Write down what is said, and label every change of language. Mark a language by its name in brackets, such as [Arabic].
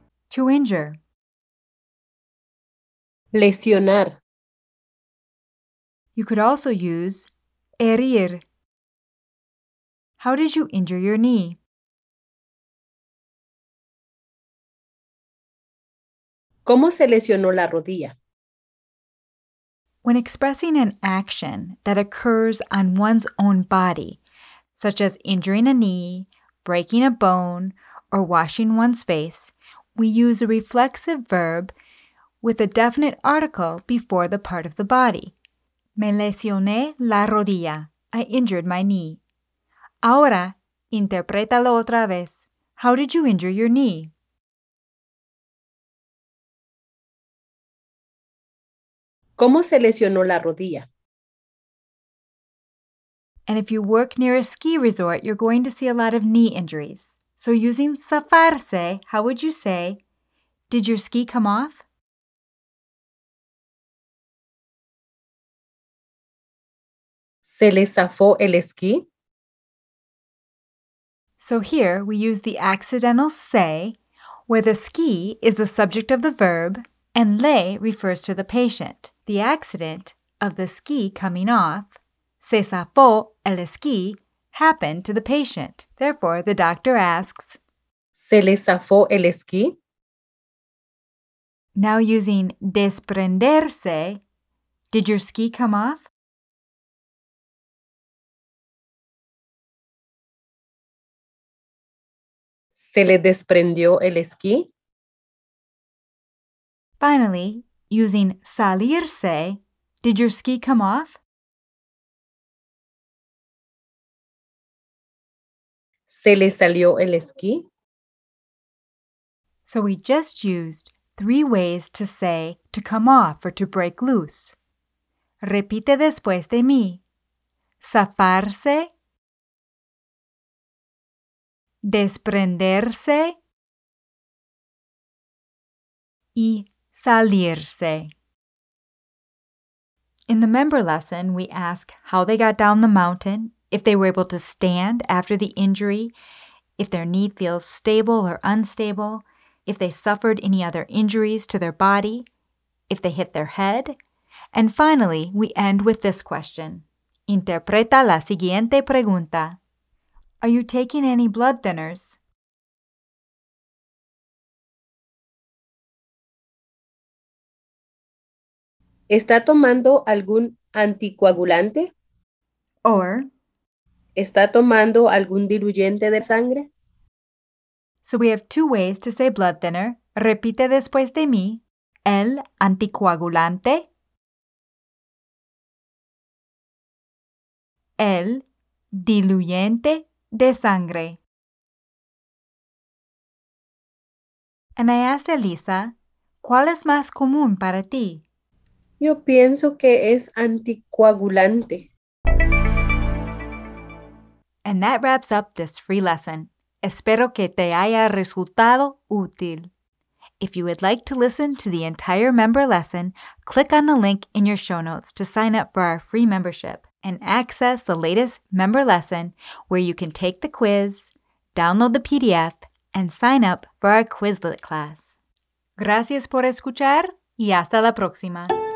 [English] To injure. [Spanish] Lesionar. [English] You could also use herir. How did you injure your knee? [Spanish] ¿Cómo se lesionó la rodilla? [English] When expressing an action that occurs on one's own body, such as injuring a knee, breaking a bone, or washing one's face, we use a reflexive verb with a definite article before the part of the body. [Spanish] Me lesioné la rodilla. [English] I injured my knee. [Spanish] Ahora, interprétalo otra vez. [English] How did you injure your knee? [Spanish] ¿Cómo se lesionó la rodilla? [English] And if you work near a ski resort, you're going to see a lot of knee injuries. So using zafarse, how would you say, did your ski come off? [Spanish] ¿Se le zafó el esquí? [English] So here we use the accidental se, where the ski is the subject of the verb and le refers to the patient. The accident of the ski coming off, [Spanish] se zafó el esquí, [English] happened to the patient. Therefore, the doctor asks, [Spanish] ¿se le zafó el esquí? [English] Now using desprenderse, did your ski come off? [Spanish] ¿Se le desprendió el esquí? [English] Finally, using salirse, did your ski come off? [Spanish] ¿Se le salió el esquí? [English] So we just used three ways to say to come off or to break loose. [Spanish] Repite después de mí. Zafarse, desprenderse, y salirse. [English] In the member lesson, we ask how they got down the mountain, if they were able to stand after the injury, if their knee feels stable or unstable, if they suffered any other injuries to their body, if they hit their head. And finally, we end with this question. [Spanish] Interpreta la siguiente pregunta. [English] Are you taking any blood thinners? [Spanish] ¿Está tomando algún anticoagulante? [English] Or, [Spanish] ¿Está tomando algún diluyente de sangre? [English] So we have two ways to say blood thinner. [Spanish] Repite después de mí. El anticoagulante. El diluyente de sangre. [English] And I asked Elisa, [Spanish] ¿cuál es más común para ti? Yo pienso que es anticoagulante. [English] And that wraps up this free lesson. [Spanish] Espero que te haya resultado útil. [English] If you would like to listen to the entire member lesson, click on the link in your show notes to sign up for our free membership and access the latest member lesson where you can take the quiz, download the PDF, and sign up for our Quizlet class. [Spanish] Gracias por escuchar y hasta la próxima.